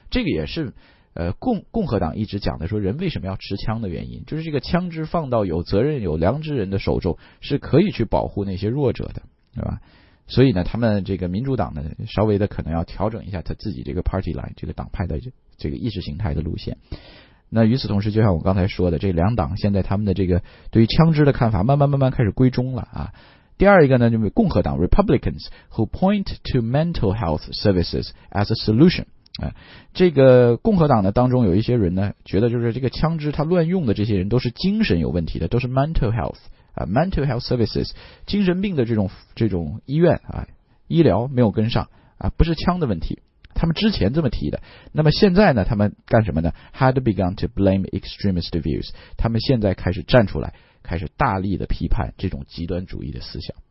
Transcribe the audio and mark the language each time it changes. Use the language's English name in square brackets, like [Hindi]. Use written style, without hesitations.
[Chinese] 这个也是共和党一直讲的，说人为什么要持枪的原因，就是这个枪支放到有责任有良知人的手中，是可以去保护那些弱者的，对吧？所以呢，他们这个民主党呢，稍微的可能要调整一下他自己这个 party line 这个党派的这个意识形态的路线。那与此同时，就像我刚才说的，这两党现在他们的这个对于枪支的看法慢慢开始归中了啊。第二一个呢，就是共和党 [English] Republicans who point to mental health services as a solution。 [Chinese] 这个共和党的当中有一些人呢，觉得就是这个枪支他乱用的这些人都是精神有问题的，都是 mental health 啊 ， [English] mental health services [Chinese] 精神病的这种医院啊，医疗没有跟上啊，不是枪的问题。他们之前这么提的，那么现在呢，他们干什么呢 ？ [English] Had begun to blame extremist views， [Chinese] 他们现在开始站出来，开始大力的批判这种极端主义的思想。